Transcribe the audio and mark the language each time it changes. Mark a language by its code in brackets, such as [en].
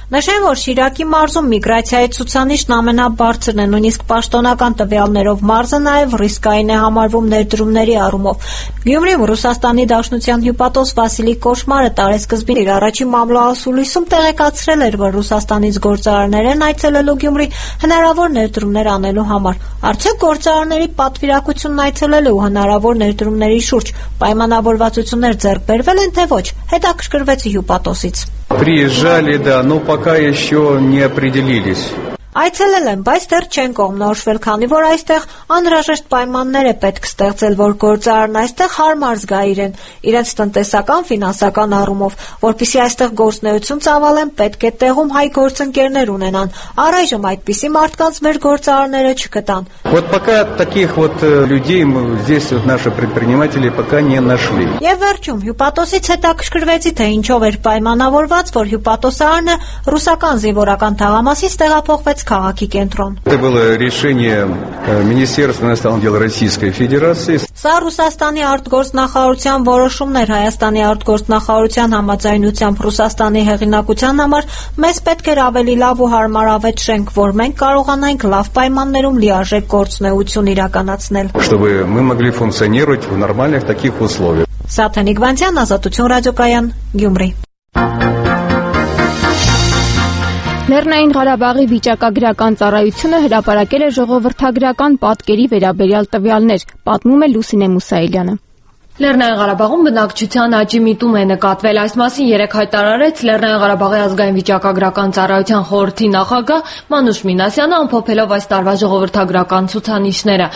[hy] Նշեմ, որ Շիրակի մարզում միգրացիայի ցուցանիշն ամենաբարձրն է, նույնիսկ պաշտոնական տվյալներով մարզը նաև ռիսկային է համարվում ներդրումների առումով։ Գյումրիում Ռուսաստանի Դաշնության հյուպատոս Վասիլի Կոշմարը տարեսկզբին իր առաջին մամլոասուլիսում տեղեկացրել էր, որ Ռուսաստանից գործարարներ են այցելելու Գյումրի հնարավոր ներդրումներ անելու համար։ Արդյոք գործարարների պատվիրակությունն այցելելու ու հնարավոր ներդրումների շուրջ պայմանավորվածություններ ձեռք բերվել են, թե ոչ, հետաքրքրվեց հյուպատոսից։ [ru] Приезжали, да, но пока еще не определились. [hy] Այցելել են, բայց դեռ չեն կողմնորոշվել, քանի որ այստեղ անհրաժեշտ պայմաններ է պետք ստեղծել, որ գործարարն այստեղ հարմար զգա իրեն, իրենց տնտեսական, ֆինանսական առումով, որպեսզի այստեղ գործնեություն ծավալեն, պետք է տեղում հայ գործընկերներ ունենան։ Առայժմ այդպիսի մարդկանց մեր գործարարները չգտան։ [ru] Вот пока таких вот людей мы здесь вот наши предприниматели пока не нашли. [hy] Եվ վերջում հյուպատոսից հետաքրքրվեցի, թե ինչով էր պայմանավորված, որ հյուպատոսարանը ռուսական զինվորական թաղամասի ստեղափոխվեց քաղաքի կենտրոն։ [ru] Это было решение Министерства иностранных дел Российской Федерации։ [hy] Սա Ռուսաստանի արտգործնախարարության որոշումն էր Հայաստանի արտգործնախարարության համաձայնությամբ Ռուսաստանի հեղինակության համար։ Մեզ պետք էր ավելի լավ ու հարմարավետ շենք, որ մենք կարողանայինք լավ պայմաններում լիարժեք գործունեություն իրականացնել։ [ru] Чтобы мы могли функционировать в нормальных таких условиях։ [hy] Սաթենի Գվանցյան, Ազատություն ռադիոկայան, Գյումրի։ Լեռնային Ղարաբաղի վիճակագրական ծառայությունը հրապարակել է ժողովրդագրական պատկերի վերաբերյալ տվյալներ, պատմում է Լուսինե Մուսայելյանը։ Լեռնային Ղարաբաղում բնակչության աճի միտում է նկատվել, այս մասին երեք հայտարարեց Լեռնային Ղարաբաղի ազգային վիճակագրական ծառայության խորհրդի նախագահ Մանուշ Մինասյանը, ամփոփելով այս տարվա ժողովրդագրական ցուցանիշները։